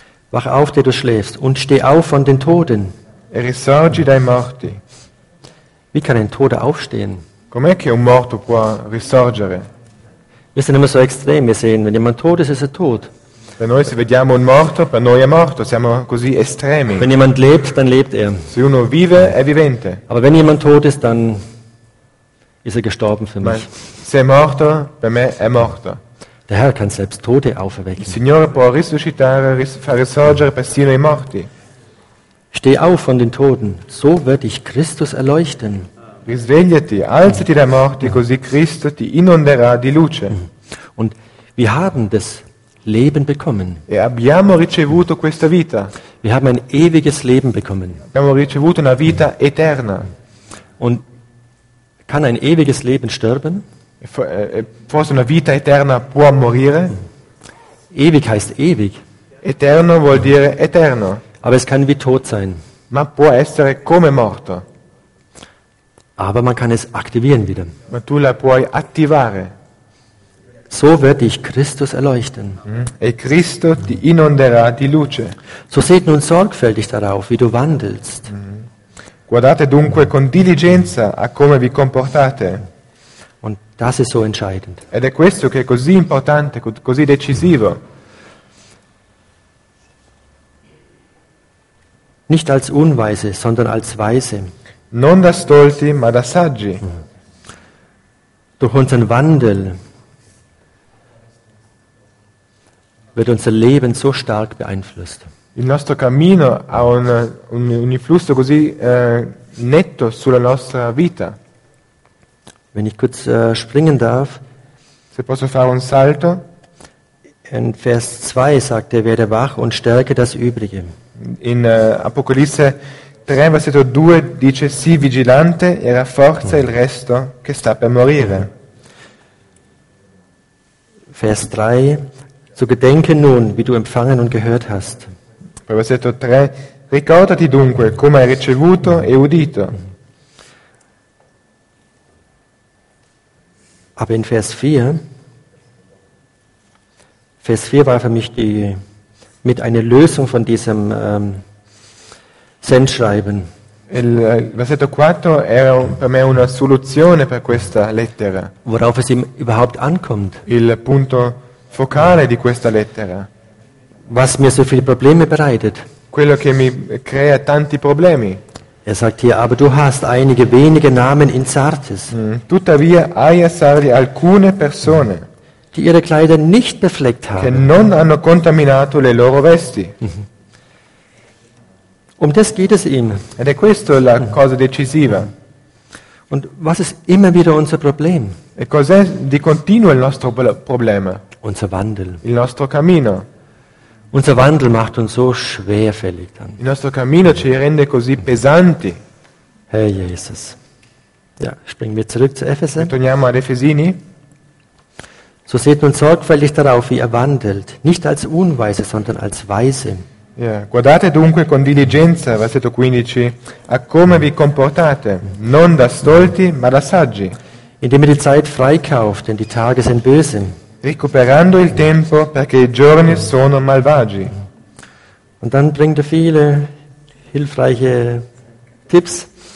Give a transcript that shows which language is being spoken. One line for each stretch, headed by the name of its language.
German: Wach auf, der du schläfst, und steh auf von den Toten.
Italian: E risorgi dai morti.
German: Wie kann ein Tode aufstehen?
Italian: Com'è che un morto può risorgere?
German: Wir sind immer so extrem, wir sehen, wenn jemand tot ist, ist er tot.
Italian: Per noi, se vediamo un morto, per noi è morto, siamo così estremi.
German: Wenn jemand lebt, dann lebt er.
Italian: Se uno vive, è vivente.
German: Aber wenn jemand tot ist, dann ist er gestorben für mich.
Italian: Se è morto, per me è morto.
German: Der Herr kann selbst Tote auferwecken.
Italian: Il Signore può risuscitare, far risorgere persino i morti.
German: Steh auf von den Toten, so wird dich Christus erleuchten.
Italian: Risvegliati, alzati dai morti, così Cristo ti inonderà di luce.
German: Und wir haben das Leben bekommen.
Italian: E abbiamo ricevuto questa vita.
German: Wir haben ein ewiges Leben bekommen.
Italian: Abbiamo ricevuto una vita eterna.
German: Und kann ein ewiges Leben sterben?
Italian: Forse una vita eterna può morire?
German: Ewig heißt ewig.
Italian: Eterno vuol dire eterno.
German: Aber es kann wie tot sein.
Italian: Ma può essere come morto.
German: Aber man kann es aktivieren wieder.
Italian: Ma tu la puoi attivare.
German: So wird dich Christus erleuchten.
Italian: E Cristo ti inonderà di luce.
German: So seht nun sorgfältig darauf, wie du wandelst.
Italian: Guardate dunque con diligenza a come vi comportate.
German: Und das ist so entscheidend.
Italian: Ed è questo che è così importante, così decisivo.
German: Nicht als Unweise, sondern als Weise.
Italian: Non da stolti, ma da saggi.
German: Durch unseren Wandel wird unser Leben so stark beeinflusst.
Italian: Il nostro cammino ha un influsso così netto sulla nostra vita.
German: Wenn ich kurz springen darf.
Italian: Se posso fare un salto.
German: In Vers 2 sagt er: Werde wach und stärke das Übrige.
Italian: In Apocalisse 3, versetto 2, dice: sii vigilante e rafforza il resto che sta per morire.
German: Vers 3, so gedenke nun, wie du empfangen und gehört hast.
Italian: Poi versetto 3, ricordati dunque come hai ricevuto e udito.
German: Aber in Vers 4 war für mich die mit einer Lösung von diesem Sendschreiben.
Italian: Il versetto 4 era per me una soluzione per questa lettera.
German: Worauf es ihm überhaupt ankommt.
Italian: Il punto focale di questa lettera.
German: Was mir so viele Probleme bereitet.
Italian: Quello che mi crea tanti problemi.
German: Er sagt hier, aber du hast einige wenige Namen in Sardes.
Italian: Tuttavia hai a Sardi alcune persone.
German: Die ihre Kleider nicht befleckt haben.
Italian: Che non hanno contaminato le loro vesti.
German: Um das geht es ihm.
Italian: Ed è questo la cosa decisiva.
German: Und was ist immer wieder unser Problem?
Italian: E cos'è di continuo il nostro problema?
German: Unser Wandel.
Italian: Il nostro cammino.
German: Unser Wandel macht uns so schwerfällig dann.
Italian: Il nostro cammino ci rende così pesanti.
German: Herr Jesus. Ja, springen wir zurück zu Epheser.
Italian: Torniamo ad Efesini.
German: So seht nun sorgfältig darauf, wie er wandelt, nicht als Unweise, sondern als Weise. Yeah.
Italian: Guardate dunque con diligenza, versetto 15, a come vi comportate, non da stolti, ma da saggi.
German: Indem ihr die Zeit freikauft, denn die Tage sind böse.
Italian: Recuperando il tempo, perché i giorni sono malvagi.
German: Und dann bringt er viele hilfreiche Tipps.